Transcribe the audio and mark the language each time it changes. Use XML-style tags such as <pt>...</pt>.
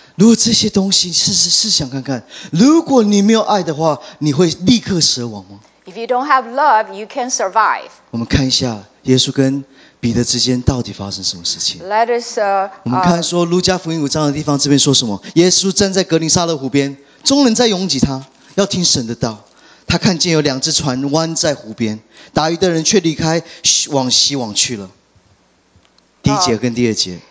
<zh>如果这些东西试想看看，如果你没有爱的话，你会立刻死亡吗？</zh> <en>If you don't have love, you can survive.</en> <zh>我们看一下。耶稣跟彼得之间到底发生什么事情</zh> <en>Let us,</en> <zh>我们看说路加福音五章的地方这边说什么耶稣站在格林撒勒湖边众人在拥挤他要听神的道他看见有两只船弯在湖边打鱼的人却离开往西网去了第一节跟第二节</zh>